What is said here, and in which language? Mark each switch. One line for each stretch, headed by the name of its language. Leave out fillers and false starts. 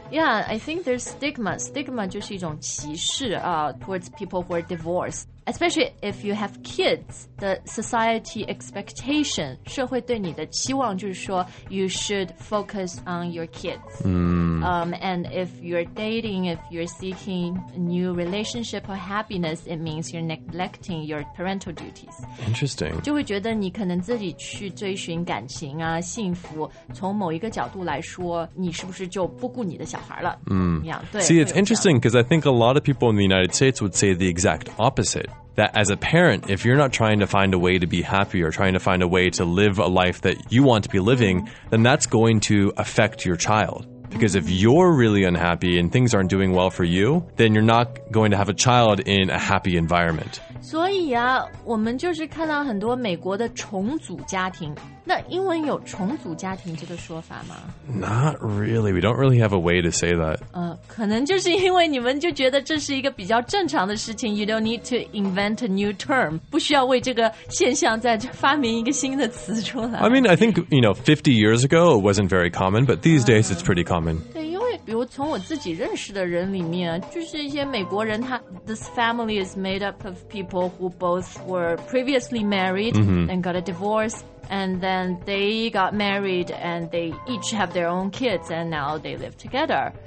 English: Yeah, I think there's stigma
Chinese: 就是一种歧视、
English: towards people who are divorced Especially if you have kids The society expectation
Chinese: 社会对你的期望就是说
English: You should focus on your kids、And if you're dating, if you're seeking a new relationship or happiness, it means you're neglecting your parental duties. Interesting.
Chinese: 就会觉得你可能自己去追寻感情啊，幸福，从某一个角度来说，你是不是就不顾你的小孩了？对。
English: See, it's interesting because I think a lot of people in the United States would say the exact opposite. That as a parent, if you're not trying to find a way to be happy or trying to find a way to live a life that you want to be living, then that's going to affect your child. Because if you're really unhappy and things aren't doing well for you, then you're not going to have a child in a happy environment.
Chinese: 所以啊，我们就是看到很多美国的重组家庭。那英文有重组家庭这个说法吗
English: Not really. We don't really have a way to say that.
Chinese: 可能就是因为你们就觉得这是一个比较正常的事情。
English: You don't need to invent a new term.
Chinese: 不需要为这个现象再发明一个新的词出来。
English: I mean, I think, you know, 50 years ago, it wasn't very common, but these days, it's pretty common.
Chinese: 对，因为比如从我自己认识的人里面，就是一些美国人他
English: This family is made up of people who both were previously married、mm-hmm. and got a divorce. And then they got married and they each have their own kids and now they live together.